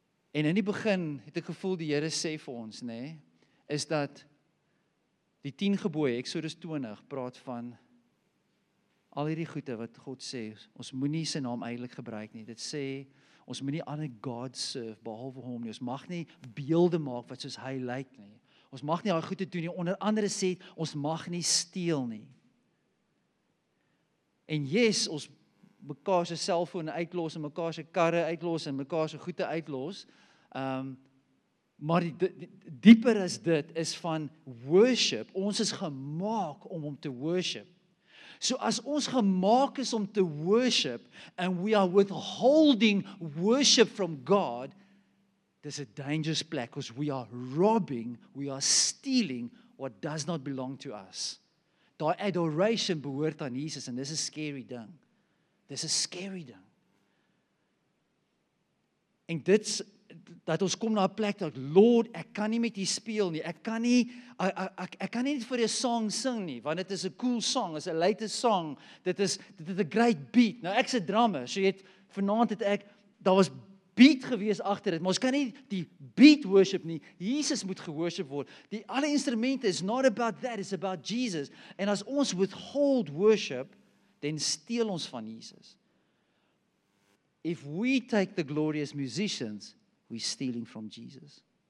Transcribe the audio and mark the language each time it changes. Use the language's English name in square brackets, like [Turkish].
[Afrikaans] En in die begin het ek gevoel die Here sê vir ons, nee, is dat die 10 gebooie, Exodus 20, praat van al hierdie goede wat God sê, ons moenie sy naam eintlik gebruik nie, dit sê, ons moet nie ander God serve behalwe hom nie. Ons mag nie beelde maak wat soos hy lyk nie. Ons mag nie daai goede doen nie. Onder andere sê ons mag nie steel nie. En yes, ons mekaar se selfone uitlos en mekaar se karre uitlos en mekaar se goede uitlos. Maar dieper as dit is van worship. Ons is gemaak om hom te worship. So as ons gemaak is om te worship, [English] and we are withholding worship from God, there's a dangerous place, because we are robbing, we are stealing what does not belong to us. [Afrikaans] Daai adoration behoort aan Jesus, [English] and this is a scary thing. This is a scary thing. [Afrikaans] En dit's, dat ons kom na 'n plek dat Lord, ek kan nie met U speel nie. Ek kan nie net vir 'n song sing nie, want dit is 'n cool song, is 'n late song. Dit is 'n great beat. Nou ek's 'n drummer, so daar was beat gewees agter dit, maar ons kan nie die beat worship nie. Jesus moet geworship word. Die alle instrumente [English] is not about that, it's about Jesus. [Afrikaans] En as ons withhold worship, dan steel ons van Jesus. [English] If we take the glory as musicians, we're stealing from Jesus.